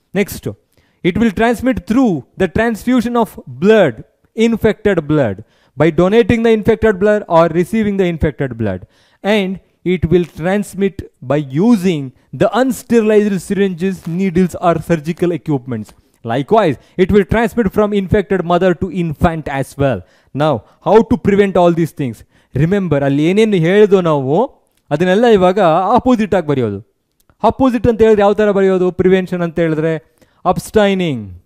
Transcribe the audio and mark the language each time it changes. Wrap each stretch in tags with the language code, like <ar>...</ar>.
<en>Next, it will transmit through the transfusion of blood, infected blood, by donating the infected blood or receiving the infected blood. And it will transmit by using the unsterilised syringes, needles or surgical equipments. Likewise, it will transmit from infected mother to infant as well. Now, how to prevent all these things?</en> <kn>Remember, ಅಲ್ಲಿ ಏನೇನು ಹೇಳಿದೋ ನಾವು ಅದನ್ನೆಲ್ಲ ಇವಾಗ opposite ಆಗಿ ಬರೆಯೋದು. Opposite ಅಂತ ಹೇಳಿದ್ರೆ ಯಾವ ಥರ ಬರೆಯೋದು? ಪ್ರಿವೆನ್ಷನ್ ಅಂತ ಹೇಳಿದ್ರೆ ಅಬ್ಸ್ಟೈನಿಂಗ್.</kn>